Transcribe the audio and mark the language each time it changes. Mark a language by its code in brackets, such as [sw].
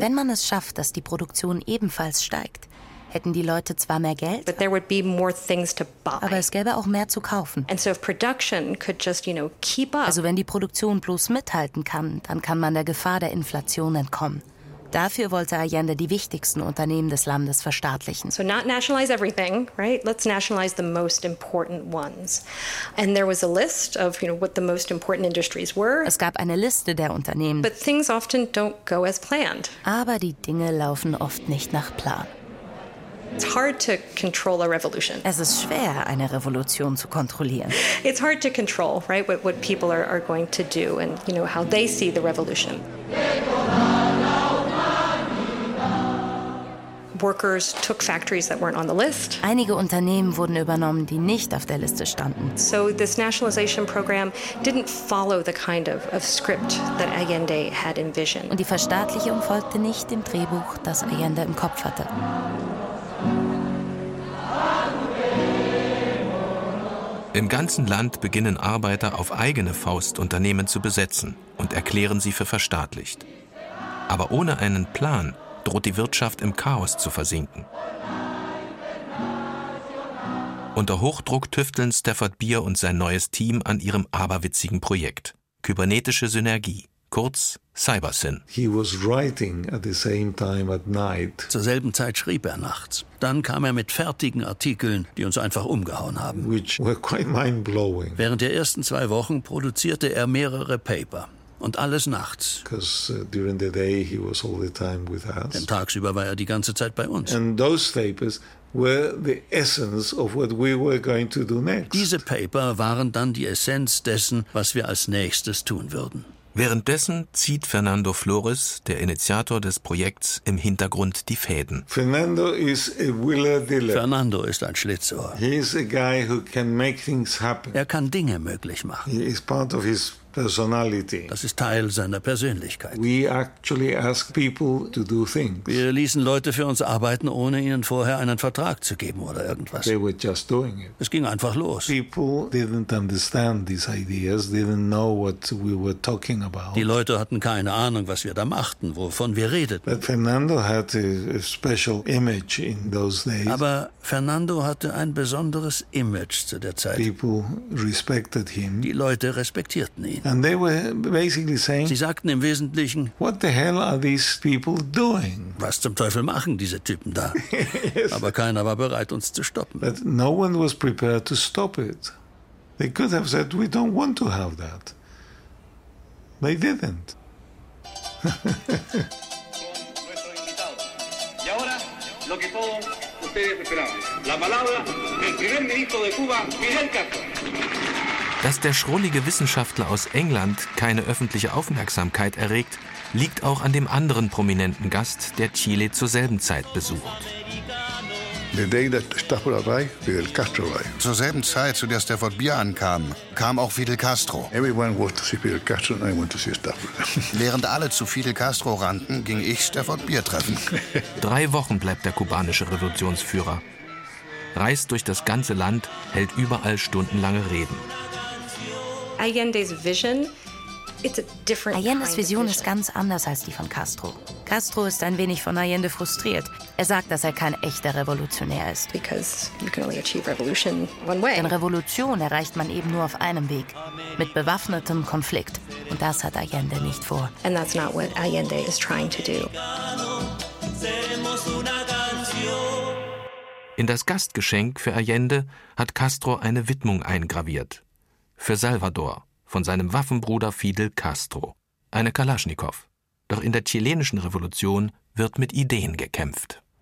[de] wenn man es schafft, dass die Produktion ebenfalls steigt, hätten die Leute zwar mehr Geld, [en] but there would be more things to buy. [de] Aber es gäbe auch mehr zu kaufen. [en] And so if production could just, you know, keep up. [de] Also wenn die Produktion bloß mithalten kann, dann kann man der Gefahr der Inflation entkommen. Dafür wollte Allende die wichtigsten Unternehmen des Landes verstaatlichen. [en] So not nationalize everything, right? Let's nationalize the most important ones. And there was a list of, you know, what the most important industries were. [de] Es gab eine Liste der Unternehmen. [en] But things often don't go as planned. [de] Aber die Dinge laufen oft nicht nach Plan. [en] It's hard to control a revolution. [de] Es ist schwer, eine Revolution zu kontrollieren. [en] It's hard to control, right, what people are going to do and, you know, how they see the revolution. Workers took factories that weren't on the list. [de] Einige Unternehmen wurden übernommen, die nicht auf der Liste standen. [en] So this nationalization program didn't follow the kind of script that Allende had envisioned. [de] Und die Verstaatlichung folgte nicht dem Drehbuch, das Allende im Kopf hatte. Im ganzen Land beginnen Arbeiter auf eigene Faust Unternehmen zu besetzen und erklären sie für verstaatlicht. Aber ohne einen Plan droht die Wirtschaft im Chaos zu versinken. Unter Hochdruck tüfteln Stafford Beer und sein neues Team an ihrem aberwitzigen Projekt. Kybernetische Synergie, kurz CyberSyn. [en] He was writing at the same time at night. [de] Zur selben Zeit schrieb er nachts. Dann kam er mit fertigen Artikeln, die uns einfach umgehauen haben. [en] Which were quite mind-blowing. [de] Während der ersten zwei Wochen produzierte er mehrere Paper. Und alles nachts. [en] During the day he was all the time with us. [de] Denn tagsüber war er die ganze Zeit bei uns. [en] And those papers were the essence of what we were going to do next. [de] Diese Paper waren dann die Essenz dessen, was wir als nächstes tun würden. Währenddessen zieht Fernando Flores, der Initiator des Projekts, im Hintergrund die Fäden. [en] Fernando is a willer diller. [de] Fernando ist ein Schlitzohr. [en] He is a guy who can make things happen. [de] Er kann Dinge möglich machen. [en] He is part of his personality. [de] Das ist Teil seiner Persönlichkeit. [en] We actually ask people to do things. [de] Wir ließen Leute für uns arbeiten, ohne ihnen vorher einen Vertrag zu geben oder irgendwas. [en] They were just doing it. [de] Es ging einfach los. [en] People didn't understand these ideas, didn't know what we were talking about. [de] Die Leute hatten keine Ahnung, was wir da machten, wovon wir redeten. [en] But Fernando had a special image in those days. [de] Aber Fernando hatte ein besonderes Image zu der Zeit. [en] People respected him. [de] Die Leute respektierten ihn. [en] And they were basically saying, [de] sie sagten im Wesentlichen, [en] what the hell are these people doing? [de] Was zum Teufel machen diese Typen da? [en] Yes. [de] Aber keiner war bereit, uns zu stoppen. [en] But no one was prepared to stop it. They could have said, we don't want to have that. They didn't. [es] Y ahora, lo que todos ustedes esperaban. La palabra del primer ministro de Cuba, Fidel Castro. [de] Dass der schrullige Wissenschaftler aus England keine öffentliche Aufmerksamkeit erregt, liegt auch an dem anderen prominenten Gast, der Chile zur selben Zeit besucht. [en] The day that Stafford arrived, Fidel Castro arrived. [de] Zur selben Zeit, zu der Stafford Beer ankam, kam auch Fidel Castro. [en] Everyone wants to see Fidel Castro and I want to see Stafford. [de] Während alle zu Fidel Castro rannten, ging ich Stafford Beer treffen. 3 Wochen bleibt der kubanische Revolutionsführer. Reist durch das ganze Land, hält überall stundenlange Reden. Allende's Vision ist ganz anders als die von Castro. Castro ist ein wenig von Allende frustriert. Er sagt, dass er kein echter Revolutionär ist. [en] Because you can only achieve revolution one way. [de] Denn Revolution erreicht man eben nur auf einem Weg, mit bewaffnetem Konflikt. Und das hat Allende nicht vor. [en] And that's not what Allende is trying to do. [de] In das Gastgeschenk für Allende hat Castro eine Widmung eingraviert. Für Salvador, von seinem Waffenbruder Fidel Castro. Eine Kalaschnikow. Doch in der chilenischen Revolution wird mit Ideen gekämpft.